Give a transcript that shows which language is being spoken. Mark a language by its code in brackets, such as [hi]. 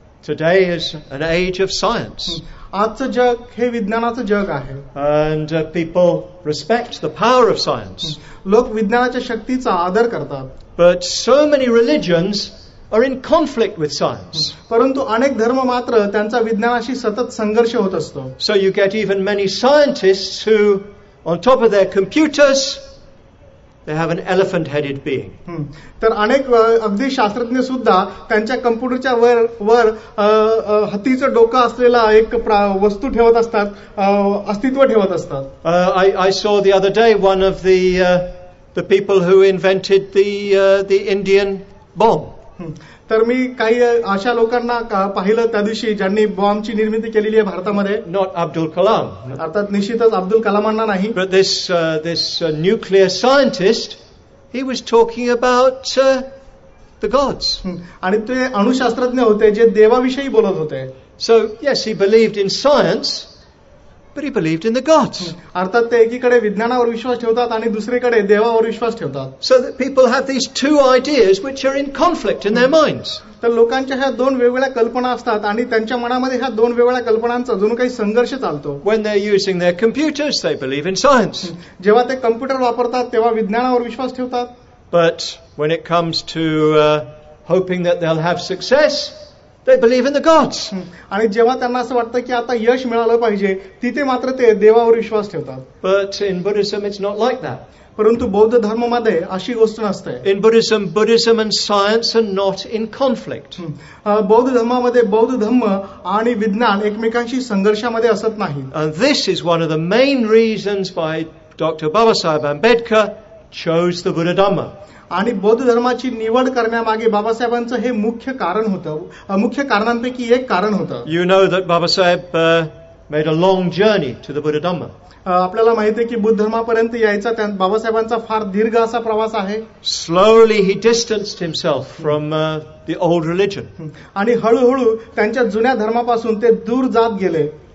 [en] Today is an age of science. [mr] आजचं जग हे विज्ञानाचं जग आहे. [en] And people respect the power of science. [mr] लोक विज्ञानाच्या शक्तीचा आदर करतात. [en] But so many religions are in conflict with science. [mr] परंतु अनेक धर्म मात्र त्यांचा विज्ञानाशी सतत संघर्ष होत असतो. [en] So you get even many scientists who on top of their computers they have an elephant headed being. [mr] तर अनेक अगदी शास्त्रज्ञ सुद्धा त्यांच्या कम्प्युटरच्या वर हत्तीचं डोकं असलेला एक वस्तू ठेवत असतात अस्तित्व ठेवत असतात. [en] I saw the other day one of the people who invented the Indian bomb. [mr] तर मी काही अशा लोकांना पाहिलं त्या दिवशी ज्यांनी बॉम्बची निर्मिती केलेली आहे भारतामध्ये. [en] not Abdul Kalam, [mr] अर्थात निश्चितच अब्दुल कलामांना नाही. [en] But this nuclear scientist he was talking about the gods. [mr] आणि ते अणुशास्त्रज्ञ होते जे देवाविषयी बोलत होते. [en] So yes, he believed in science, but he believed in the gods. [mr] अर्थात ते एकीकडे विज्ञानावर विश्वास ठेवतात आणि दुसरीकडे देवावर विश्वास ठेवतात. [en] So that people have these two ideas which are in conflict in their minds. [mr] तर लोकांच्या ह्या दोन वेगवेगळ्या कल्पना असतात आणि त्यांच्या मनामध्ये ह्या दोन वेगवेगळ्या कल्पनांचा अजून काही संघर्ष चालतो. [en] When they are using their computers, they believe in science. [mr] जेव्हा ते कम्प्युटर वापरतात तेव्हा विज्ञानावर विश्वास ठेवतात. [en] But when it comes to hoping that they'll have success, they believe in the gods. [mr] आणि जेव्हा त्यांना असं वाटतं की आता यश मिळालं पाहिजे तिथे मात्र ते देवावर विश्वास ठेवतात. [en] But in Buddhism, it's not like that. [mr] परंतु बौद्ध धर्मामध्ये अशी गोष्ट नसते. [en] In Buddhism, Buddhism and science are not in conflict. [mr] बौद्ध धर्मामध्ये बौद्ध धर्म आणि विज्ञान एकमेकांशी संघर्षामध्ये असत नाही. [en] And this is one of the main reasons why Dr. Babasaheb Ambedkar chose the Buddha Dhamma. [mr] आणि बौद्ध धर्माची निवड करण्यामागे बाबासाहेबांचं हे मुख्य कारण होतं, मुख्य कारणांपैकी एक कारण होतं. [en] You know that Babasaheb made a long journey to the Buddha Dhamma. [mr] आपल्याला माहिती आहे की बुद्ध धर्मापर्यंत यायचा बाबासाहेबांचा फार दीर्घ असा प्रवास आहे. [en] Slowly he distanced himself from the old religion. [mr] आणि हळूहळू त्यांच्या जुन्या धर्मापासून ते दूर जात गेले.